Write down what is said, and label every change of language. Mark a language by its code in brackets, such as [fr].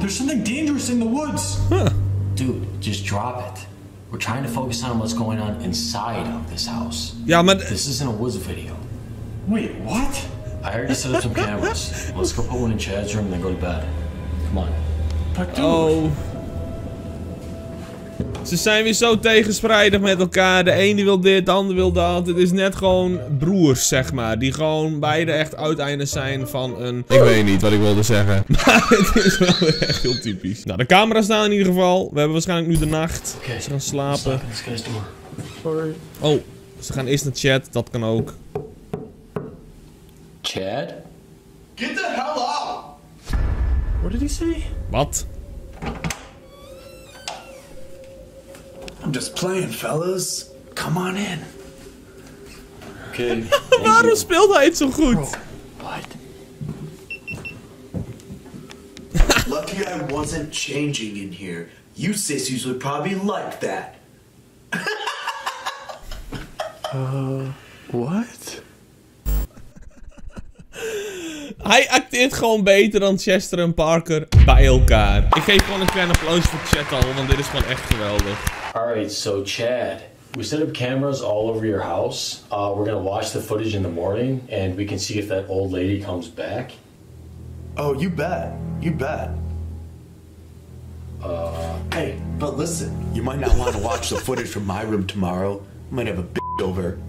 [en] There's something dangerous in the woods. Huh. Dude, just drop it. We're trying to focus on what's going on inside of this house. Yeah, but this isn't a woods video. Wait, what? I already set up some cameras. Let's go put one in Chad's room and then go to bed. Come on. But dude. Oh. [nl] Ze zijn weer zo tegenstrijdig met elkaar. De ene wil dit, de ander wil dat. Het is net gewoon broers, zeg maar. Die gewoon beide echt uiteinden zijn van een... Ik weet niet wat ik wilde zeggen. Maar het is wel echt heel typisch. Nou, de camera's staan in ieder geval. We hebben waarschijnlijk nu de nacht. [en] Okay, [nl] ze gaan slapen. Sorry. Oh, ze gaan eerst naar chat. Dat kan ook. [en] Chad? Get the hell out! What did he say? What? I'm just playing, fellas. Come on in. Okay. [nl] Waarom speelt hij het zo goed? [en] What? Lucky I wasn't changing in here. You sissies would probably like that. What? [nl] Hij acteert gewoon beter dan Chester en Parker bij elkaar. Ik geef gewoon een klein applaus voor Chad al, want dit is gewoon echt geweldig. [en] Alright, so Chad, we set up cameras all over your house. We're gonna watch the footage in the morning, and we can see if that old lady comes back. Oh, you bet. You bet. Hey, but listen, you might not want to watch the footage from my room tomorrow. I might have a b*** over.